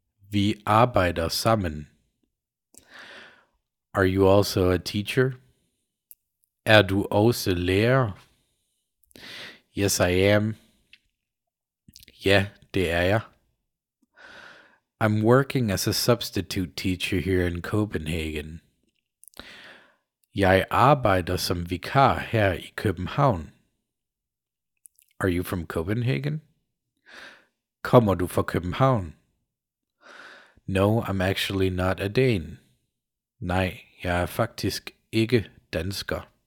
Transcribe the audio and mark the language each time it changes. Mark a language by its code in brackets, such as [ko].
[da] Vi arbejder sammen. [en] Are you also a teacher? [da] Er du außer Lehr? [en] Yes, I am. Yeah, [da] det er jeg. [en] I'm working as a substitute teacher here in Copenhagen. [da] Jeg arbejder som vikar her i København. [en] Are you from Copenhagen? [da] Kommer du fra København? [en] No, I'm actually not a Dane. [da] Nej, jeg faktisk ikke dansker.